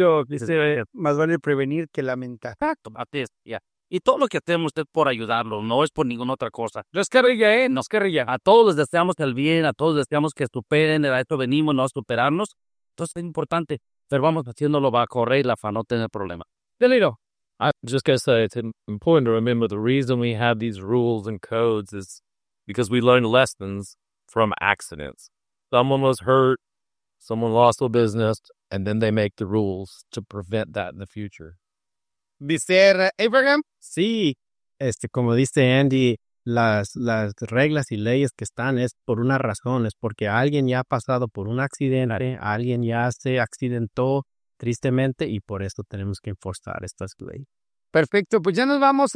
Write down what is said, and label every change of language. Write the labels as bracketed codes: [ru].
[es] Yo, más vale prevenir que lamentar. Exacto, Matías, ya. Y todo lo que hacemos es por ayudarlo, no es por ninguna otra cosa. No es carrilla, ¿eh? No es carrilla. A todos les deseamos el bien, a todos les deseamos que superen, a esto venimos, no a superarnos. Entonces, es importante, pero vamos haciéndolo bajo regla para no tener problemas. Deliro. [en] I was just going to say, it's important to remember the reason we have these rules and codes is because we learn lessons from accidents. Someone was hurt, someone lost their business, and then they make the rules to prevent that in the future. Mr. Abraham? [es] Sí, como dice Andy, las reglas y leyes que están es por una razón, es porque alguien ya ha pasado por un accidente, alguien ya se accidentó, tristemente, y por esto tenemos que enforzar estas leyes. Perfecto, pues ya nos vamos.